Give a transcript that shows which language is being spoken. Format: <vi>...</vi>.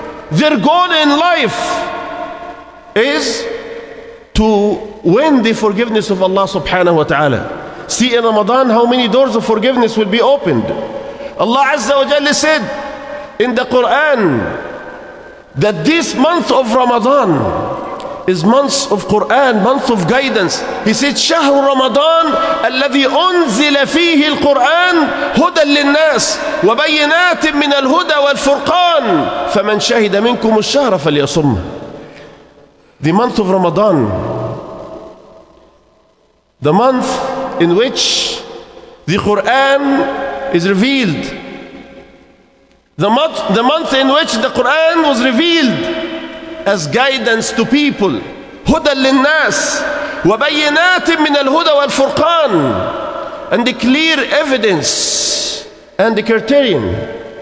<en>Their goal in life is to win the forgiveness of Allah subhanahu wa ta'ala. See in Ramadan how many doors of forgiveness will be opened. Allah Azza wa Jalla said in the Quran that this month of Ramadan is months of Quran, months of guidance. He said,</en> <ar>شهر رمضان الذي أنزل فيه القرآن هدى للناس وبينات من الهدى والفرقان فمن شهد منكم الشهر فليصم.</ar> <en>The month of Ramadan, the month in which the Quran is revealed, the month in which the Quran was revealed as guidance to people,</en> <ar>هدى للناس وبينات من الهدى والفرقان,</ar> <en>and the clear evidence and the criterion.</en>